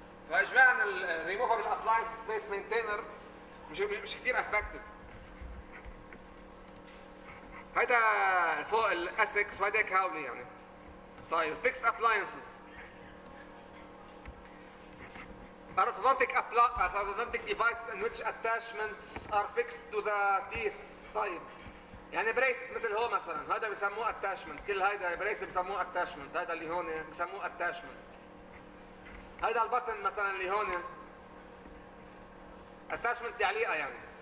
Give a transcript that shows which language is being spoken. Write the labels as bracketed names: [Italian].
[Arabic] فإجمالاً الـ Removable Appliance Space Maintainer مش كتير أفكتف. هيدا فوق الـ Essex وهيدا كاولي يعني. [English] طيب Fixed Appliances Orthodontic Devices in which attachments are fixed to the teeth. [Arabic] طيب يعني braces مثل هو مثلا هذا بسموه attachment. كل هيدا braces بسموه attachment. هذا اللي هون بسموه attachment. هيدا البطن مثلا اللي هون attachment تعليقة يعني.